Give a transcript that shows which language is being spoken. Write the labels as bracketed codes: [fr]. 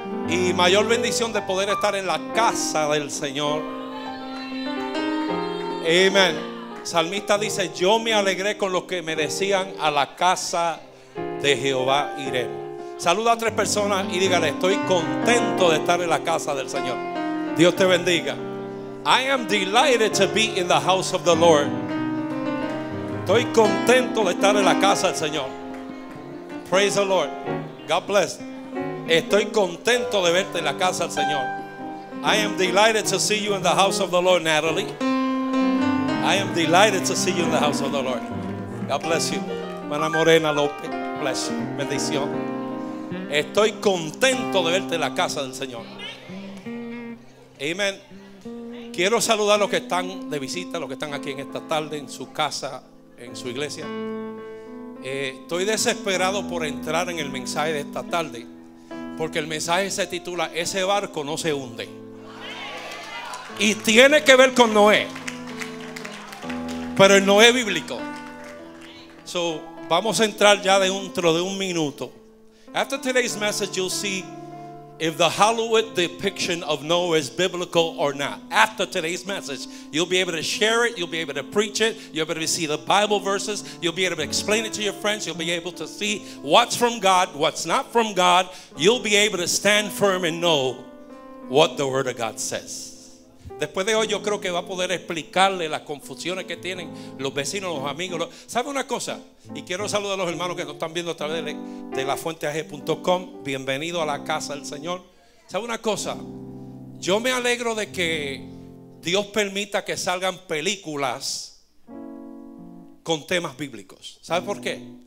[es] Y mayor bendición de poder estar en la casa del Señor. Amén. Salmista dice: yo me alegré con los que me decían, a la casa de Jehová iré. Saluda a tres personas y dígale: estoy contento de estar en la casa del Señor. Dios te bendiga. [en] I am delighted to be in the house of the Lord. [es] Estoy contento de estar en la casa del Señor. [en] Praise the Lord. God bless. [es] Estoy contento de verte en la casa del Señor. [en] I am delighted to see you in the house of the Lord, Natalie. I am delighted to see you in the house of the Lord. God bless you. Hermana Morena López, bless you. Bendición. [es] Estoy contento de verte en la casa del Señor. Amen. Quiero saludar a los que están de visita, los que están aquí en esta tarde, en su casa, en su iglesia. Estoy desesperado por entrar en el mensaje de esta tarde, porque el mensaje se titula "Ese barco no se hunde". Y tiene que ver con Noé, pero el Noé bíblico. So, vamos a entrar ya dentro de un minuto. [en] After today's message, you'll see if the Hollywood depiction of Noah is biblical or not. After today's message, you'll be able to share it, you'll be able to preach it, you'll be able to see the Bible verses, you'll be able to explain it to your friends, you'll be able to see what's from God, what's not from God. You'll be able to stand firm and know what the Word of God says. [es] Después de hoy, yo creo que va a poder explicarle las confusiones que tienen los vecinos, los amigos. ¿Sabe una cosa? Y quiero saludar a los hermanos que nos están viendo a través de lafuenteag.com. Bienvenido a la casa del Señor. ¿Sabe una cosa? Yo me alegro de que Dios permita que salgan películas con temas bíblicos. ¿Sabe por qué?